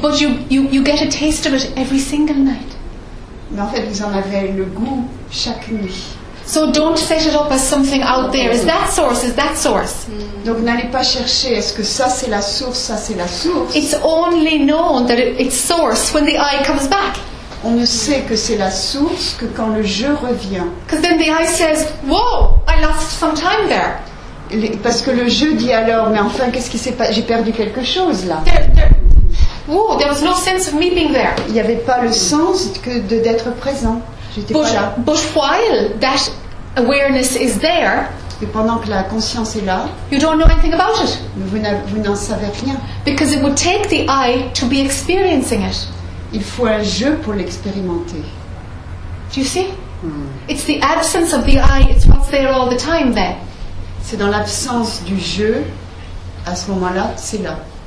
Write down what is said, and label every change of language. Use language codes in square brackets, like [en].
[en] but you get a taste of it every single night. [fr] Mais en fait, vous en avez le goût chaque nuit. [en] So don't set it up as something out there. Is that source? [fr] Donc n'allez pas chercher. Est-ce que ça c'est la source? Ça c'est la source. [en] It's only known that it's source when the eye comes back. [fr] On ne sait que c'est la source que quand le jeu revient. [en] Because then the I says, "Whoa, I lost some time there." [fr] Parce que le jeu dit alors, mais enfin, qu'est-ce qui s'est passé? J'ai perdu quelque chose là. [en] There was no sense of me being there. [fr] Il n'y avait pas le sens d'être présent. J'étais pas là. [en] But while that awareness is there, [fr] et pendant que la conscience est là, [en] you don't know anything about it. [fr] Vous n'en savez rien. [en] Because it would take the I to be experiencing it. [fr] Il faut un jeu pour l'expérimenter. [en] Do you see? It's the absence of the I, it's what's there all the time there. [fr] C'est dans l'absence du jeu, à ce moment-là, c'est là.